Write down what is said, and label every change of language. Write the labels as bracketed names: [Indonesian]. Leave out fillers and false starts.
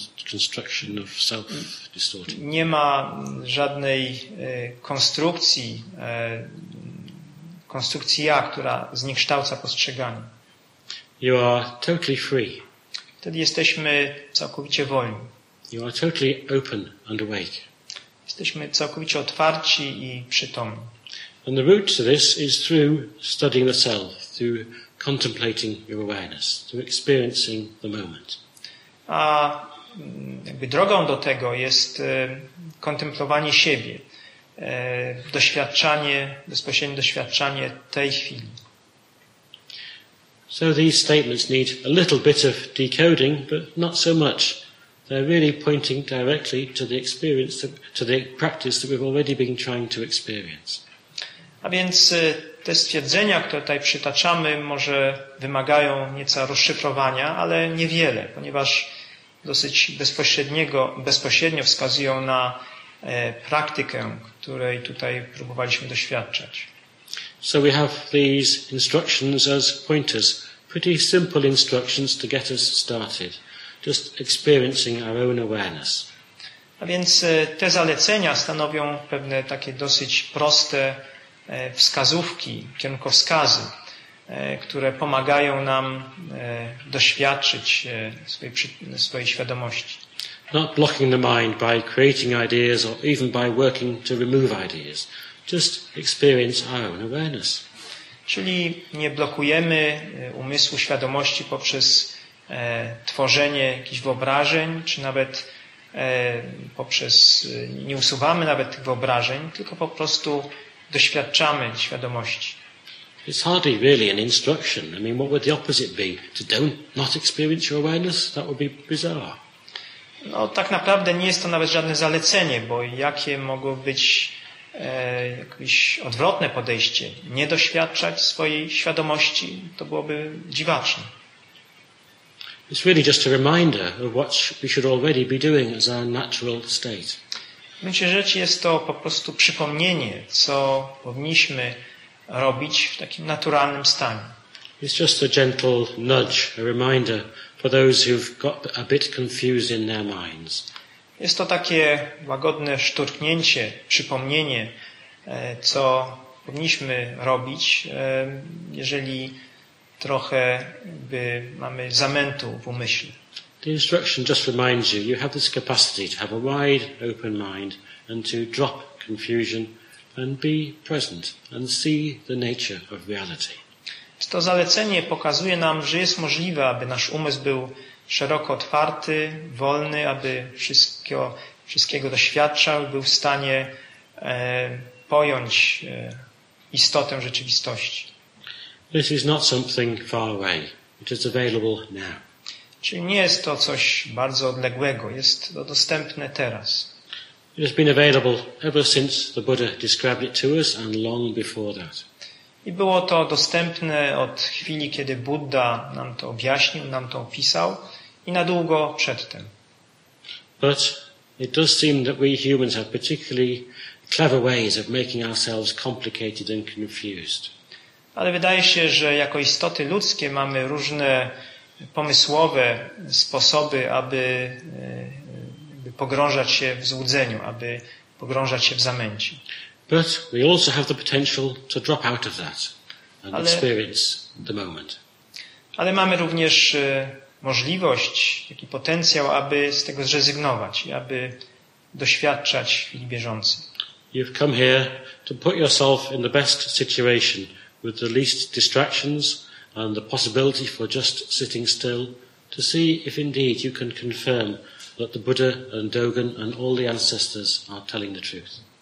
[English] construction of self-distorting. [Polish] Nie ma żadnej konstrukcji, konstrukcji ja, która zniekształca postrzeganie. [English] You are totally free. [Polish] Wtedy jesteśmy całkowicie wolni. [English] You are totally open and awake. [Polish] Jesteśmy całkowicie otwarci i przytomni. [English] And the root to this is through studying the self, through contemplating your awareness, through experiencing the moment. [Polish] A jakby drogą do tego jest kontemplowanie siebie, doświadczanie, bezpośrednie doświadczanie tej chwili. [English] So these statements need a little bit of decoding, but not so much. They're really pointing directly to the experience, to the practice that we've already been trying to experience. [Polish] A więc te stwierdzenia, które tutaj przytaczamy, może wymagają nieco rozszyfrowania, ale niewiele, ponieważ dosyć bezpośrednio wskazują na praktykę, której tutaj próbowaliśmy doświadczać. [English] So we have these instructions as pointers, pretty simple instructions to get us started, just experiencing our own awareness. [Polish] A więc te zalecenia stanowią pewne takie dosyć proste wskazówki, kierunkowskazy, które pomagają nam doświadczyć swojej świadomości. [English] Not blocking the mind by creating ideas or even by working to remove ideas. Just experience our own awareness. [Polish] Czyli nie blokujemy umysłu, świadomości poprzez tworzenie jakichś wyobrażeń, czy nawet poprzez, nie usuwamy nawet tych wyobrażeń, tylko po prostu doświadczamy świadomości. [English] It's hardly really an instruction. I mean, what would the opposite be? To not experience your awareness? That would be bizarre. [Polish] No, tak naprawdę nie jest to nawet żadne zalecenie, bo jakie mogło być jakieś odwrotne podejście, nie doświadczać swojej świadomości, to byłoby dziwaczne. [English] It's really just a reminder of what we should already be doing as our natural state. [Polish] W gruncie rzeczy jest to po prostu przypomnienie, co powinniśmy robić w takim naturalnym stanie. [English] It's just a gentle nudge, a reminder for those who've got a bit confused in their minds. [Polish] Jest to takie łagodne szturchnięcie, przypomnienie, co powinniśmy robić, jeżeli trochę by mamy zamętu w umyśle. [English] The instruction just reminds you, you have this capacity to have a wide open mind and to drop confusion and be present and see the nature of reality. [Polish] To zalecenie pokazuje nam, że jest możliwe, aby nasz umysł był szeroko otwarty, wolny, aby wszystkiego doświadczał, był w stanie pojąć istotę rzeczywistości. [English] This is not something far away. It is available now. [Polish] Czyli nie jest to coś bardzo odległego. Jest to dostępne teraz. [English] It has been available ever since the Buddha described it to us and long before that. [Polish] I było to dostępne od chwili, kiedy Budda nam to objaśnił, nam to opisał. I na długo przedtem. [English] But it does seem that we humans have particularly clever ways of making ourselves complicated and confused. [Polish] Ale wydaje się, że jako istoty ludzkie mamy różne pomysłowe sposoby, aby pogrążać się w złudzeniu, aby pogrążać się w zamęcie. [English] But we also have the potential to drop out of that and experience the moment. [Polish] Ale mamy również możliwość, taki potencjał, aby z tego zrezygnować, aby doświadczać chwili bieżącej. [English] You've come here to put yourself in the best situation with the least distractions and the possibility for just sitting still to see if indeed you can confirm that the Buddha and Dogen and all the ancestors are telling the truth.